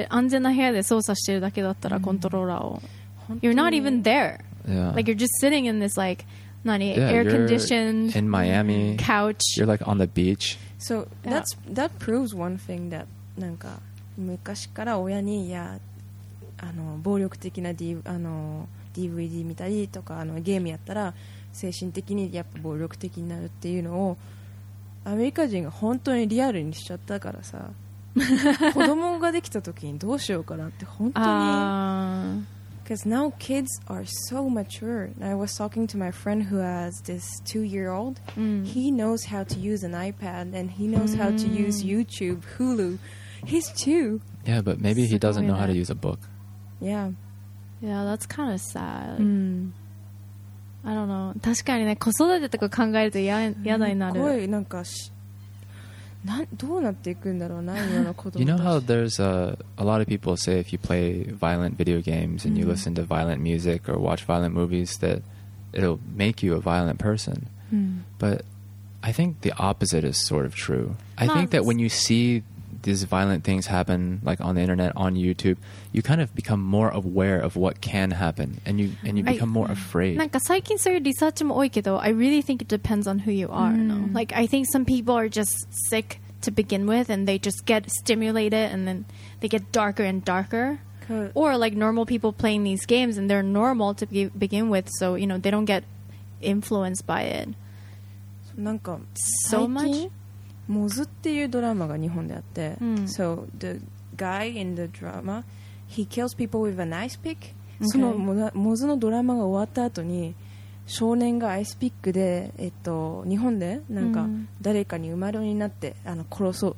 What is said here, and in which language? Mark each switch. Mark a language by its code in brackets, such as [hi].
[ja] 自分が操作して安全な部屋で操作してるだけだったら コントローラーを。 [en] You're not even there. Yeah. Like you're just sitting in this like, air conditioned. In Miami. Couch. You're like on the beach. So that's, that proves one thing that, [ja] なんか、 昔から親にいやあの暴力的な、D、あの DVD 見たりとかあのゲームやったら精神的にやっぱ暴力的になるっていうのをアメリカ人が本当にリアルにしちゃったからさ子供ができた時にどうしようかなって本当に [en] Because now kids are so mature. I was talking to my friend who has this 2-year-old、 mm. He knows how to use an iPad and he knows how to use YouTube, Hulu. He's two. Yeah, but maybe he doesn't know how to use a book. Yeah. Yeah, that's kind of sad. Like, mm. I don't know. [ja] 確かにね、子育てとか考えると嫌になる。すごい、なんかし、なん、どうなっていくんだろうな、今の子供たち。 [en] You know how there's a lot of people say if you play violent video games and you listen to violent music or watch violent movies that it'll make you a violent person. But I think the opposite is sort of true. I think that when you see these violent things happen like on the internet, on YouTube, you kind of become more aware of what can happen and you become more afraid. [ja] なんか最近そういうリサーチも多いけど [en] I really think it depends on who you are. Mm. No? Like I think some people are just sick to begin with and they just get stimulated and then they get darker and darker. Or like normal people playing these games and they're normal to begin with, so you know they don't get influenced by it. [ja] なんか [en] so much [ja] モズっていうドラマが日本であって、mm. [en] So the guy in the drama, he kills people with an ice pick. [ja] そのモズのドラマが終わった後に少年がアイスピックで、日本でなんか誰かに生まれになって、mm.